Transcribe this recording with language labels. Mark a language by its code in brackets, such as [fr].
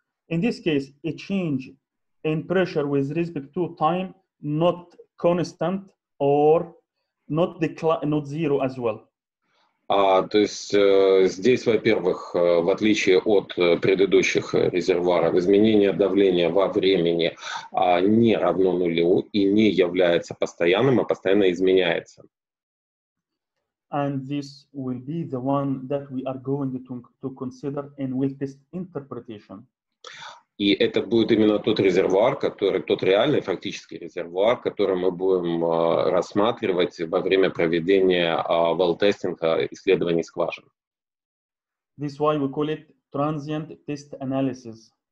[en] In this case, a change in pressure with respect to time not constant or not not zero as well. [ru] А, то есть здесь, во-первых, в отличие от предыдущих резервуаров, изменение давления во времени не равно нулю и не является постоянным, а постоянно изменяется. [en] And this will be the one that we are going to consider and will test interpretation. [ru] И это будет именно тот резервуар, который, тот реальный фактический резервуар, который мы будем рассматривать во время проведения well-тестинга исследований скважин. [en] This why we call it transient test analysis.